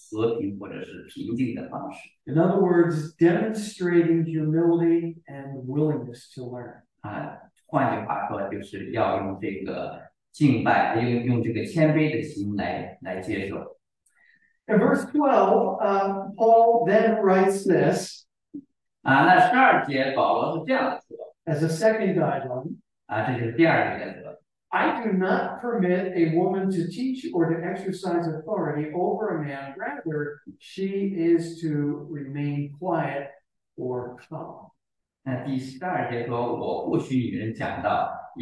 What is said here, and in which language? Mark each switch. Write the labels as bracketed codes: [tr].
[zh] 所以这是一个解放的方式。但是呢，保罗在这里说要用和平或者是平静的方式。 [en] In other words, demonstrating humility and willingness to learn. [zh] 换句话说，就是要用这个。敬拜，用这个谦卑的心来接受。 [en] In verse 12, Paul then writes this. [zh] 那12节保罗是这样说。 [en] As a second guideline. [zh] 这就是第二个原则。 [en] I do not permit a woman to teach or to exercise authority over a man. Rather, she is to remain quiet or calm. [zh] 那第12节说，我不许女人讲道。